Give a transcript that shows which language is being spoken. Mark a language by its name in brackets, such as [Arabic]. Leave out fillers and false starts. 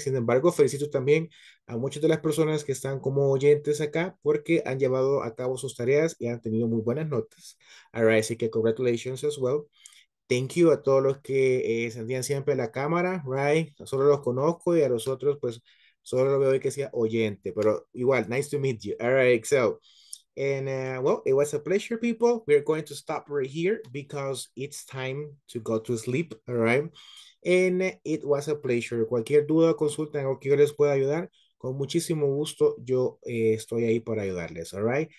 [Spanish] Sin embargo, felicito también a muchas de las personas que están como oyentes acá porque han llevado a cabo sus tareas y han tenido muy buenas notas. [English] All right, [Spanish] así que [English] congratulations as well. Thank you [Spanish] a todos los que sentían siempre la cámara, [English] right? [Spanish] Solo los conozco y a los otros, pues, solo lo veo y que sea oyente. Pero igual, [English] nice to meet you. All right, so, and well, it was a pleasure, people. We're going to stop right here because it's time to go to sleep, all right? And it was a pleasure. [Spanish] Cualquier duda, consulta, algo que yo les pueda ayudar, con muchísimo gusto, yo estoy ahí para ayudarles, [English] all right?